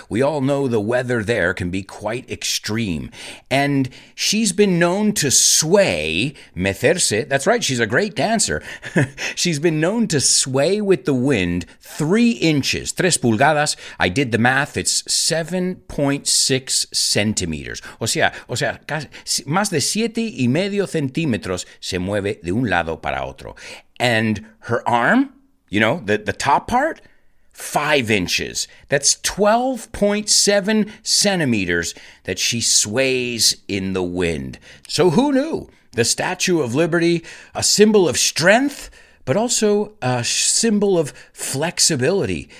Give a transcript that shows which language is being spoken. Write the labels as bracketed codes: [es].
[en] We all know the weather there can be quite extreme. And she's been known to sway, [es] meterse, [en] that's right, she's a great dancer. She's been known to sway with the wind 3 inches, [es] 3 pulgadas. [en] I did the math, it's 7.6 centimeters. [es] O sea, más de 7.5 centímetros se mueve de un lado para otro. [en] And her arm, you know, the top part, 5 inches. That's 12.7 centimeters that she sways in the wind. So who knew? The Statue of Liberty, a symbol of strength, but also a symbol of flexibility.